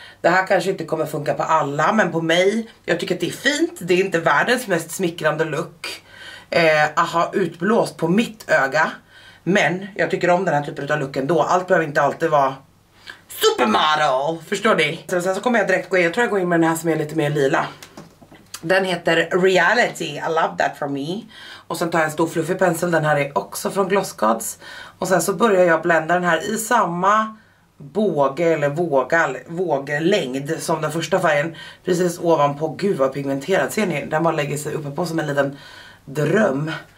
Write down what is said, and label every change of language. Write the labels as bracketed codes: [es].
[sv] Det här kanske inte kommer funka på alla, men på mig, jag tycker att det är fint. Det är inte världens mest smickrande look att ha utblåst på mitt öga, men jag tycker om den här typen av look ändå. Allt behöver inte alltid vara supermodel, förstår ni? Sen så kommer jag direkt gå in, jag tror jag går in med den här som är lite mer lila. Den heter Reality, [en] I love that for me. [sv] Och sen tar jag en stor fluffig pensel, den här är också från Gloss Gods. Och sen så börjar jag blända den här i samma båge eller våglängd som den första färgen. Precis ovanpå, gud vad pigmenterad, ser ni? Den bara lägger sig uppe på som en liten dröm.